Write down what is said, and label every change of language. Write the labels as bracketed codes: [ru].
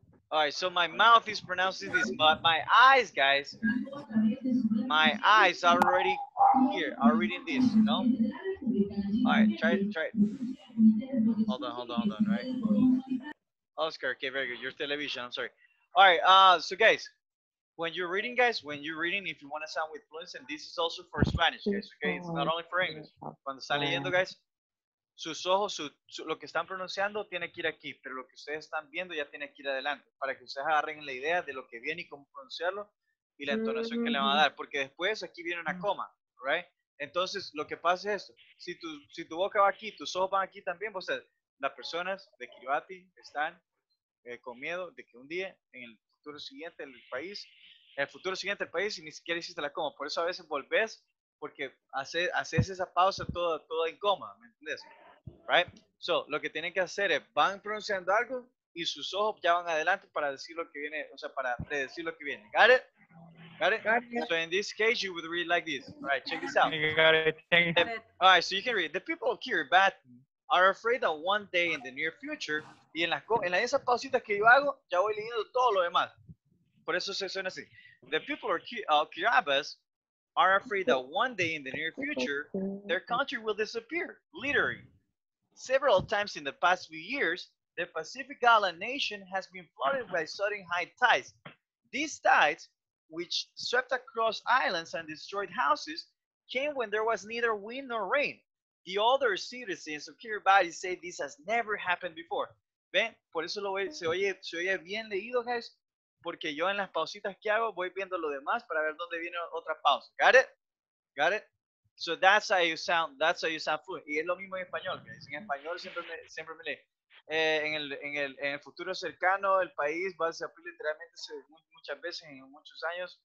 [en] All right, so my mouth is pronouncing this, but my eyes, guys, my eyes are already here, are reading this, you know? All right, try. Hold on, right? Oscar, okay, very good. Your television, I'm sorry. All right, so guys, when you're reading, if you want to sound with fluency, and this is also for Spanish, guys, okay? It's not only for English. [es] Cuando están leyendo, guys, sus ojos, lo que están pronunciando tiene que ir aquí, pero lo que ustedes están viendo ya tiene que ir adelante para que ustedes agarren la idea de lo que viene y cómo pronunciarlo y la entonación que le va a dar, porque después aquí viene una coma, right? Entonces, lo que pasa es esto. Si tu boca va aquí, tus ojos van aquí también, o sea, las personas de Kiribati están con miedo de que un día, en el futuro siguiente del país, y ni siquiera hiciste la coma. Por eso a veces volvés, porque haces esa pausa toda en coma, ¿me entiendes? Right? So, lo que tienen que hacer es, van pronunciando algo, y sus ojos ya van adelante para decir lo que viene, o sea, para predecir lo que viene. [en] Got it? So in this case, you would read like this. All right, check this out. You got it. All right, so you can read. The people of Kiribati are afraid that one day in the near future, [es] y en las esas pausitas que yo hago, ya voy leyendo todo lo demás. Por eso se suena así. [en] The people of Kiribati are afraid that one day in the near future, their country will disappear, literally. Several times in the past few years, the Pacific Island nation has been flooded by sudden high tides. These tides, which swept across islands and destroyed houses, came when there was neither wind nor rain. The other citizens of Kiribati say this has never happened before. [es] ¿Ven? Por eso se oye bien leído, guys, porque yo en las pausitas que hago voy viendo lo demás para ver dónde viene otra pausa. [en] Got it? So that's how you sound fluent. [es] Y es lo mismo en español, guys. En español siempre me lee. En el futuro cercano, el país va a desaparecer literalmente muchas veces en muchos años.